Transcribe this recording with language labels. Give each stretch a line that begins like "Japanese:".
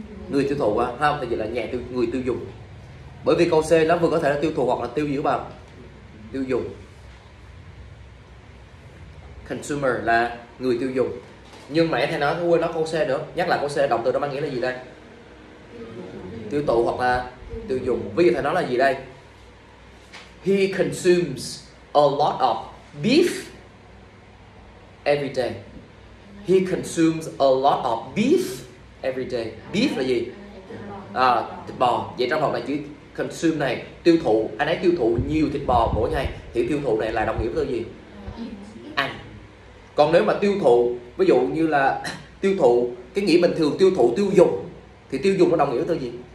Vietnamese: Người tiêu thụ á, không thì là nhà tiêu người tiêu dùng. Bởi vì câu C nó vừa có thể là tiêu thụ hoặc là tiêu dữ bằng tiêu dùng. Consumer là người tiêu dùng. Nhưng mà em thầy nói thôi quên nó câu C nữa. Nhắc lại câu C động từ nó mang nghĩa là gì đây? Tiêu thụ hoặc là tiêu dùng. Ví dụ thầy nói là gì đây?
English: He consumes a lot of beef every day. He consumes a lot of beef every day.
Vietnamese: Beef là gì? À, thịt bò. Vậy trong học này chữ consume này tiêu thụ, anh ấy tiêu thụ nhiều thịt bò mỗi ngày thì tiêu thụ này là đồng nghĩa với gì? Ăn. Còn nếu mà tiêu thụ ví dụ như là tiêu thụ cái nghĩa bình thường tiêu thụ tiêu dùng thì tiêu dùng nó đồng nghĩa với gì?